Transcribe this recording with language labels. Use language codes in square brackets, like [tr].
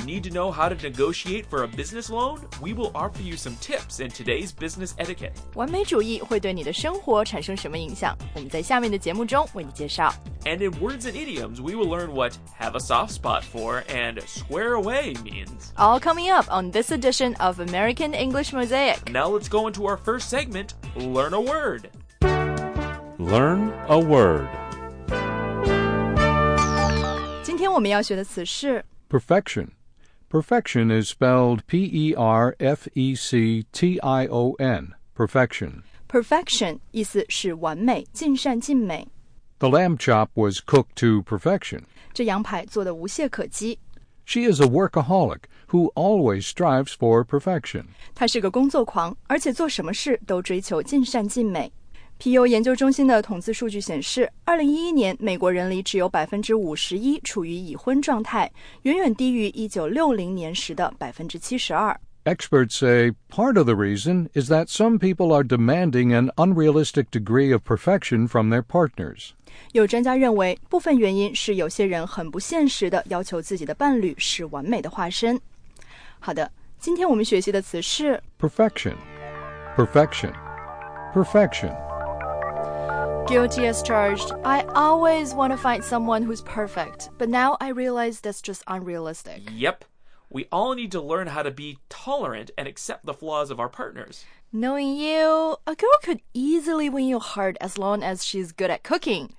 [en] Need to know how to negotiate for a business loan? We will offer you some tips in today's business etiquette. [zh] 完美主义会对你的生活产生什么影响？我们在下面的节目中为你介绍。 [en] And in words and idioms, we will learn what have a soft spot for and square away means. All coming up on this edition of American English Mosaic. Now let's go into our first segment, Learn a Word. Learn a Word. [zh] 今天我们要学的词是 [en] Perfection. Perfection is spelled P-E-R-F-E-C-T-I-O-N. Perfection. [zh] Perfection 意思是完美，尽善尽美。 [en] The lamb chop was cooked to perfection. [zh] 这羊排做得无懈可击。 [en] She is a workaholic who always strives for perfection. [zh] 她是个工作狂，而且做什么事都追求尽善尽美。 PU 研究中心的统计数据显示，2011年美国人里只有51%处于已婚状态，远远低于1960年时的72%。 [en] Experts say part of the reason is that some people are demanding an unrealistic degree of perfection from their partners. [zh] 有专家认为，部分原因是有些人很不现实的要求自己的伴侣是完美的化身。好的，今天我们学习的词是 [en] perfection, perfection, perfection. Guilty as charged, I always want to find someone who's perfect, but now I realize that's just unrealistic. Yep. We all need to learn how to be tolerant and accept the flaws of our partners. Knowing you, a girl could easily win your heart as long as she's good at cooking.